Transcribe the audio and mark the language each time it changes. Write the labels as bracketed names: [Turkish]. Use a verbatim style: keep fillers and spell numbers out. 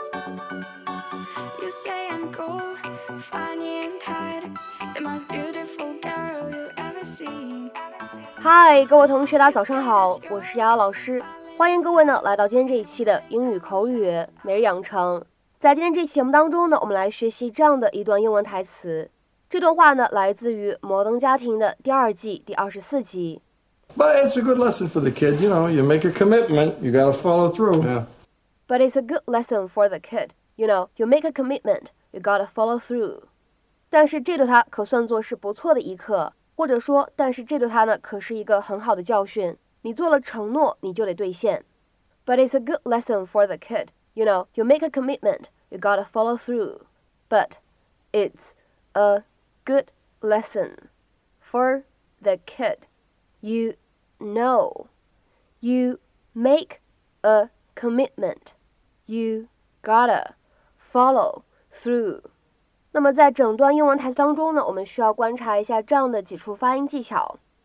[English] You say I'm cool, funny and hot, the most beautiful girl you ever seen. [Chinese] 嗨，各位同学，大家早上好，我是瑶瑶老师，欢迎各位呢来到今天这一期的英语口语每日养成。在今天这期节目当中呢，我们来学习这样的一段英文台词。这段话呢，来自于《摩登家庭》的第二季第二十四集。 [English] But it's a good lesson for the kid, you know. You make a commitment, you gotta follow through. Yeah. But it's a good lesson for the kid, you know. You make a commitment, you gotta follow through. [Chinese] 但是这对他可算作是不错的一课，或者说，但是这对他呢，可是一个很好的教训。你做了承诺，你就得兑现。 [English] But it's a good lesson for the kid. You know, you make a commitment, you gotta follow through. But it's a good lesson for the kid. You know, you make a commitment, you gotta follow through. [Chinese] 那么在整段英文台词当中呢，我们需要观察一下这样的几处发音技巧。